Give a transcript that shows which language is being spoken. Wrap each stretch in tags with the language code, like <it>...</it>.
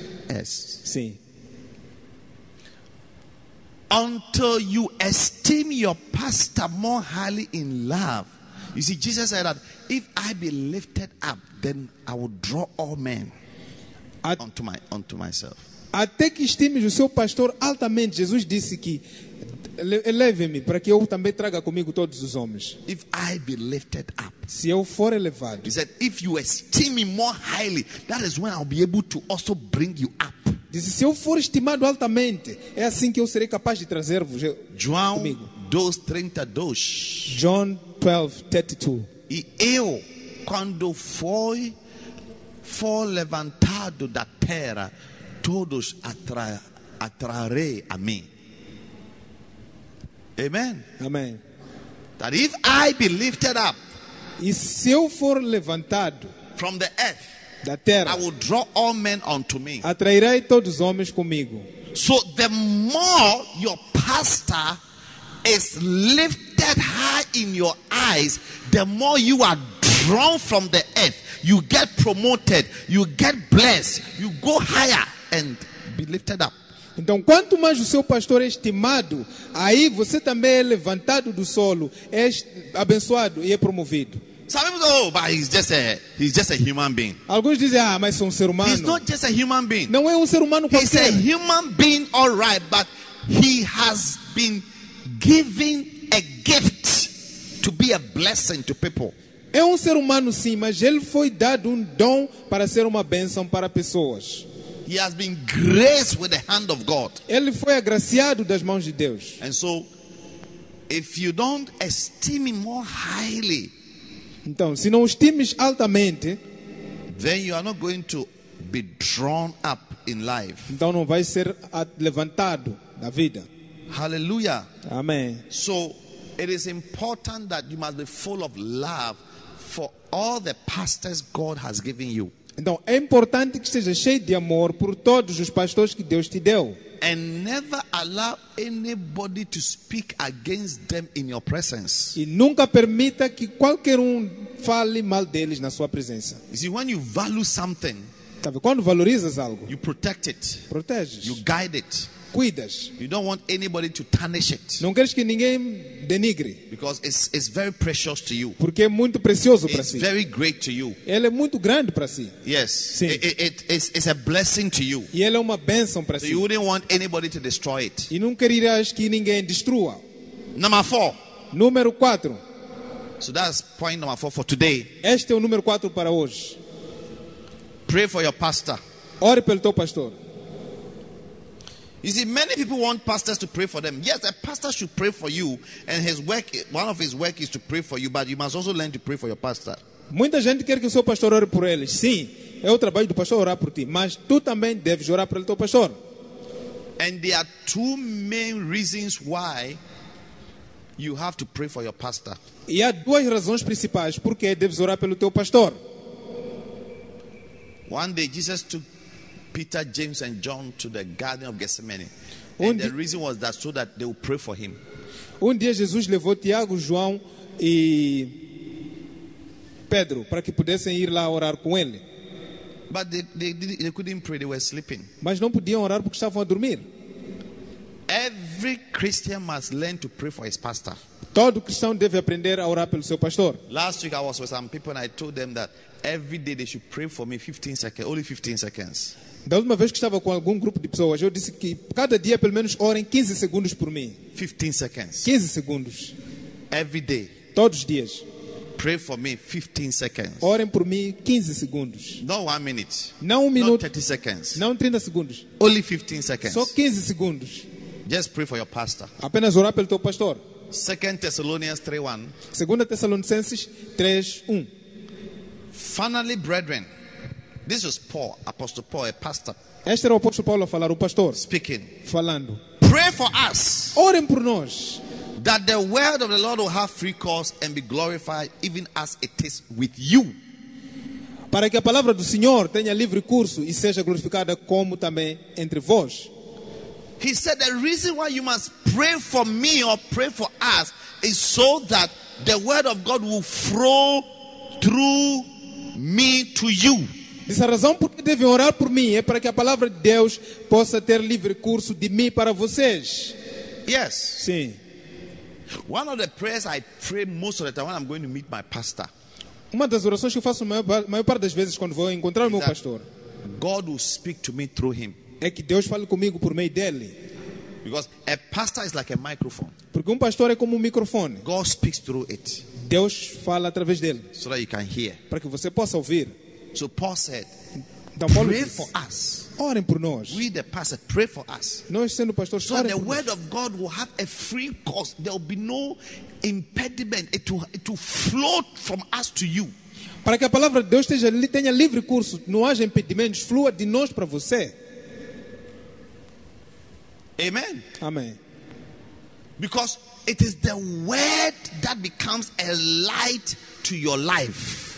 <en>Yes.</en> <pt>Sim.</pt> <en>Until you esteem your pastor more highly in love. You see, Jesus said that if I be lifted up, then I will draw all men unto myself.</en> <pt>Até que estimes o seu pastor altamente, Jesus disse que eleve-me para que eu também traga comigo todos os homens.</pt> <en>If I be lifted up,</en> <pt>se eu for elevado,</pt> <en>he said, if you esteem me more highly, that is when I'll be able to also bring you up.</en> <pt>Disse, se eu for estimado altamente, é assim que eu serei capaz de trazer-vos comigo.</pt> <en>John 12:32.</en> <pt>E eu, quando foi for levantado da terra, todos atrarei a mim.</pt> <en>Amen.</en> <pt>Amen.</pt> <en>That if I be lifted up,</en> <pt>e se eu for levantado</pt> <en>from the earth,</en> <pt>da terra,</pt> <en>I will draw all men unto me.</en> <pt>Atrairei todos os homens comigo.</pt> <en>So the more your pastor is lifted high in your eyes, the more you are drawn from the earth, you get promoted, you get blessed, you go higher and be lifted up.</en> <pt>Então, quanto mais o seu pastor é estimado, aí você também é levantado do solo, é abençoado e é promovido.</pt> <en>Some people say, oh, but he's just a human being.</en> <pt>Alguns dizem, ah, mas é ser humano.</pt> <en>He's not just a human being.</en> <pt>Não é ser humano qualquer.</pt> <en>He's a human being, all right, but he has been given a gift to be a blessing to people.</en> <pt>É ser humano, sim, mas ele foi dado dom para ser uma bênção para pessoas.</pt> <en>He has been graced with the hand of God.</en> <pt>Ele foi agraciado das mãos de Deus.</pt> <en>And so, if you don't esteem him more highly,</en> <pt>então, se não o estimes altamente,</pt> <en>then you are not going to be drawn up in life.</en> <pt>Então não vai ser levantado na vida.</pt> <en>Hallelujah.</en> <pt>Amém.</pt> <en>So, it is important that you must be full of love for all the pastors God has given you.</en> <pt>Então, é importante que esteja cheio de amor por todos os pastores que Deus te deu.</pt> <en>And never allow anybody to speak against them in your presence.</en> <pt>E nunca permita que qualquer fale mal deles na sua presença.</pt> <en>You see, when you value something,</en> <pt>quando valorizas algo,</pt> <en>you protect it.</en> <pt>Proteges.</pt> <en>You guide it.</en> <pt>Cuidas.</pt> <en>You don't want anybody to tarnish it.</en> <pt>Não queres que ninguém denigre.</pt> <en>Because it's very precious to you.</en> <pt>Porque é muito precioso para si.</pt> <en>It's very great to you.</en> <pt>Ele é muito grande para si.</pt> <en>Yes.</en> <pt>Sim.</pt> <en>It's a blessing to you.</en> <pt>E ele é uma bênção para si.</pt> <en>You wouldn't want anybody to destroy it.</en> <pt>E não querias que ninguém destrua.</pt> <en>Number 4.</en> <pt>Número 4.</pt> <en>So that's point number 4 for today.</en> <pt>Este é o número 4 para hoje.</pt> <en>Pray for your pastor.</en> <pt>Ore pelo teu pastor.</pt> <en>You see, many people want pastors to pray for them. Yes, a pastor should pray for you, and his work, one of his work is to pray for you, but you must also learn to pray for your pastor.</en> <pt>Muita gente quer que o seu pastor ore por eles. Sim, é o trabalho do pastor orar por ti, mas tu também deves orar pelo teu pastor.</pt> <en>And there are two main reasons why you have to pray for your pastor.</en> <pt>E há duas razões principais porque deves orar pelo teu pastor.</pt> <en>One day Jesus took Peter, James and John to the Garden of Gethsemane. And the reason was that so that they would pray for him.</en> <pt>Um dia Jesus levou Tiago, João e Pedro para que pudessem ir lá orar com ele.</pt> <en>But they couldn't pray, they were sleeping.</en> <pt>Mas não podiam orar porque estavam a dormir.</pt> <en>Every Christian must learn to pray for his pastor.</en> <pt>Todo cristão deve aprender a orar pelo seu pastor.</pt> <en>Last week I was with some people and I told them that every day they should pray for me 15 seconds, only 15 seconds.</en> <pt>Da última vez que estava com algum grupo de pessoas, eu disse que cada dia pelo menos orem 15 segundos por mim.</pt> <en>15 seconds.</en> <pt>15 segundos.</pt> <en>Every day.</en> <pt>Todos os dias.</pt> <en>Pray for me 15 seconds.</en> <pt>Orem por mim 15 segundos.</pt> <en>Not 1 minute.</en> <pt>Não 1 minuto.</pt> <en>Not 30 seconds.</en> <pt>Não 30 segundos.</pt> <en>Only 15 seconds.</en> <pt>Só 15 segundos.</pt> <en>Just pray for your pastor.</en> <pt>Apenas orar pelo teu pastor.</pt> <en>2 Thessalonians 3:1.</en> <pt>2 Tessalonicenses 3:1.</pt> <en>Finally, brethren, this was Paul, Apostle Paul, a pastor.</en> <pt>Este era o apóstolo Paulo a falar, o pastor.</pt> <en>Speaking.</en> <pt>Falando.</pt> <en>Pray for us.</en> <pt>Orem por nós.</pt> <en>That the word of the Lord will have free course and be glorified even as it is with you.</en> <pt>Para que a palavra do Senhor tenha livre curso e seja glorificada como também entre vós.</pt> <en>He said the reason why you must pray for me or pray for us is so that the word of God will flow through me to you.</en> <pt>Diz a razão porque devem orar por mim é para que a palavra de Deus possa ter livre curso de mim para vocês.</pt> <en>Yes.</en> <pt>Sim.</pt> <en>One of the prayers I pray most of the time when I'm going to meet my pastor.</en> <pt>Uma das orações que eu faço maior parte das vezes quando vou encontrar o meu pastor.</pt> <en>God will speak to me through him.</en> <pt>É que Deus fala comigo por meio dele.</pt> <en>Because a pastor is like a microphone.</en> <pt>Porque pastor é como microfone.</pt> <en>God speaks through it.</en> <pt>Deus fala através dele.</pt> <en>So that you can hear.</en> <pt>Para que você possa ouvir.</pt> <en>So Paul said,</en> <pt>então, Paulo</pt> <en>pray</en> <pt>disse,</pt> <en>for us.</en> <pt>Orem por nós.</pt> <en>We the pastor pray for us.</en> <pt>Nós sendo pastor,</pt> <en>so the word</en> <pt>nós.</pt> <en>Of God will have a free course. There will be no impediment. It will flow from us to you.</en> <pt>Para que a palavra de Deus esteja ali, tenha livre curso, não haja impedimentos, flua de nós para você.</pt> <en>Amen.</en> <pt>Amen.</pt> <en>Because it is the word that becomes a light to your life.</en>